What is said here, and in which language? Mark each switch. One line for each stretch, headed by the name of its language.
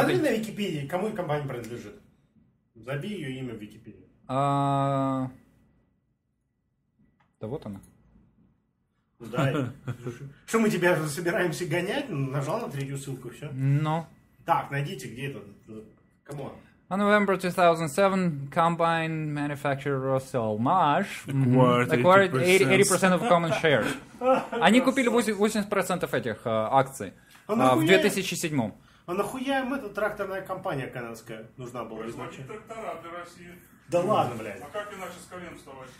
Russian: Смотри на Википедии, кому и компания принадлежит. Забей ее имя в Википедии. Да вот она. Да. Что мы тебя собираемся гонять? Нажал на третью ссылку, все. Но. Так, найдите, где это.
English: Come on. On November 2007, combine manufacturer Russell-Marsh acquired 80% of common shares.
Russian: Они купили 80% этих акций в 2007. А нахуя им эта тракторная компания канадская нужна была изначально? Производить трактора для России. Да ладно, блядь. А как иначе с колен вставать?